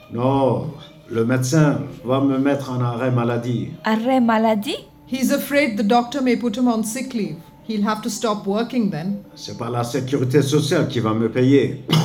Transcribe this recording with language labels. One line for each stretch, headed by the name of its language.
French: Non, le médecin va me mettre en arrêt maladie. Arrêt maladie?
English: He's afraid the doctor may put him on sick leave. He'll have to stop working then.
French: C'est pas la sécurité sociale qui va me payer.